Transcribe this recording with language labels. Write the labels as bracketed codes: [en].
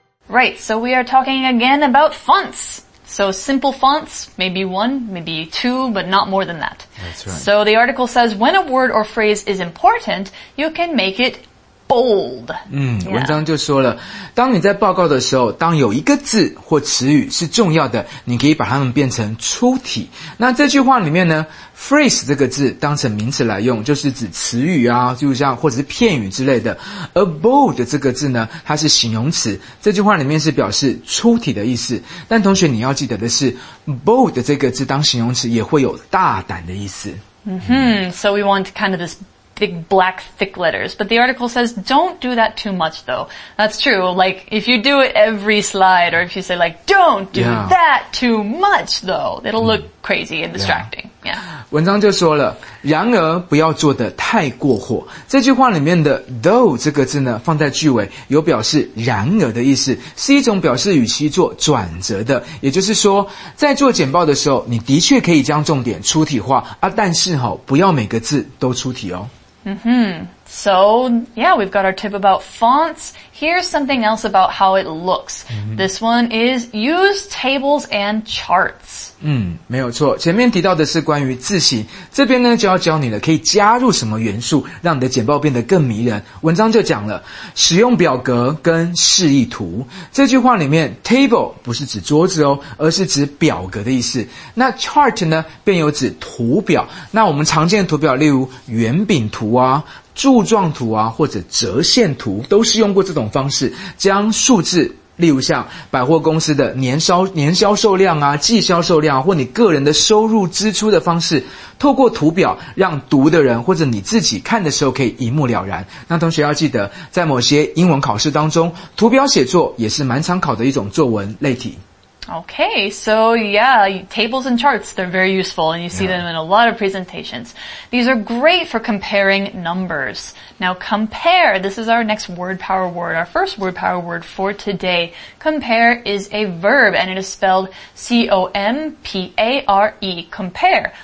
[en] Right, so we are talking again about fonts. So simple fonts, maybe one, maybe two, but not more than that. That's right. So the article says when a word or phrase is important, you can make it. Bold. [zh] 文章就说了，当你在报告的时候，当有一个字或词语是重要的，你可以把它们变成粗体。那这句话里面呢 ，phrase 这个字当成名词来用，就是指词语啊，就像或者是片语之类的。而 bold 这个字呢，它是形容词，这句话里面是表示粗体的意思。但同学你要记得的是 ，bold 这个字当形容词也会有大胆的意思。 [en] So we want kind of this. Big black thick letters. But the article says don't do that too much though. That's true. Like if you do it every slide or if you say like don't do that too much though, it'll look crazy and distracting. Yeah. [zh] 文章就说了，然而不要做得太过火。这句话里面的 though 这个字呢，放在句尾有表示然而的意思，是一种表示语气做转折的。也就是说，在做简报的时候，你的确可以将重点粗体化啊，但是吼，不要每个字都粗体哦。 [en] So, yeah, we've got our tip about fonts. Here's something else about how it looks. This one is use tables and charts. [zh] 没有错。前面提到的是关于字型，这边呢就要教你了，可以加入什么元素，让你的简报变得更迷人。文章就讲了，使用表格跟示意图。这句话里面 table 不是指桌子哦，而是指表格的意思。那 chart 呢，便有指图表。那我们常见的图表，例如圆饼图啊。柱状图啊，或者折线图，都是用过这种方式，将数字，例如像百货公司的年销售量啊，季销售量啊，或你个人的收入支出的方式，透过图表让读的人或者你自己看的时候可以一目了然。那同学要记得，在某些英文考试当中，图表写作也是蛮常考的一种作文类题。 [en] Okay, so yeah, tables and charts, they're very useful and you see them in a lot of presentations. These are great for comparing numbers. Now compare, this is our next word power word, our first word power word for today. Compare is a verb and it is spelled C-O-M-P-A-R-E, compare.